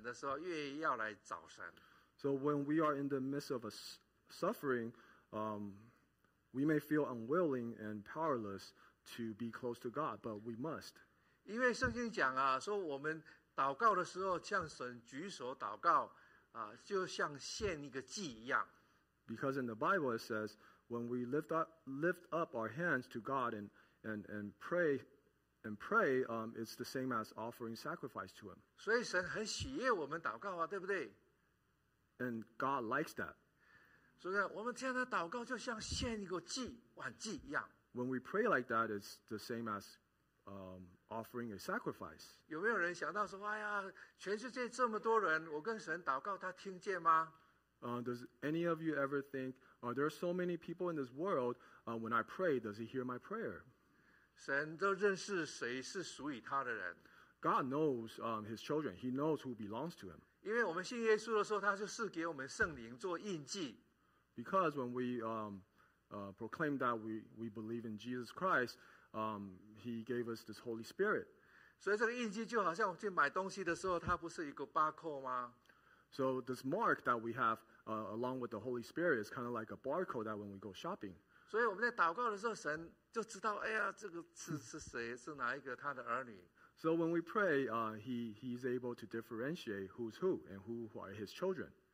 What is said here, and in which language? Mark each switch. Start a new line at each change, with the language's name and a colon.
Chinese: 所以说，我们碰到困难的时候，越不想祷告啊，越不想亲近神的时候，越要来找神。
English: So when we are in the midst of a suffering, we may feel unwilling and powerless to be close to God, but we must.
Chinese: 因为圣经讲啊，说我们祷告的时候向神举手祷告啊，就像献一个祭一样。
English: Because in the Bible it says, when we lift up our hands to God and pray. And pray, it's the same as offering sacrifice to Him.
Chinese: 所以神很喜悦我们祷告啊，对不对？
English: And God likes that.
Chinese: 所以我们这样的祷告就像献一个祭、晚祭一样。
English: When we pray like that, it's the same as offering a sacrifice.
Chinese: 有没有人想到说，哎呀，全世界这么多人，我跟神祷告，他听见吗？
English: Does any of you ever think, there are so many people in this world, when I pray, does He hear my prayer?
Chinese: 神都认识谁是属于他的人。
English: God knows his children. He knows who belongs to him.
Chinese: 因为我们信耶稣的时候，他就赐给我们圣灵做印记。
English: Because when we proclaim that we believe in Jesus Christ, he gave us this Holy Spirit.
Chinese: 所以这个印记就好像我去买东西的时候，它不是一个 barcode吗？
English: So this mark that we have along with the Holy Spirit is kind of like a barcode that when we go shopping.
Chinese: 所以我们在祷告的时候，神就知道，哎呀，这个是谁，是哪一个他的儿女。
English: So when we pray, he's able to differentiate who's who and who are his children.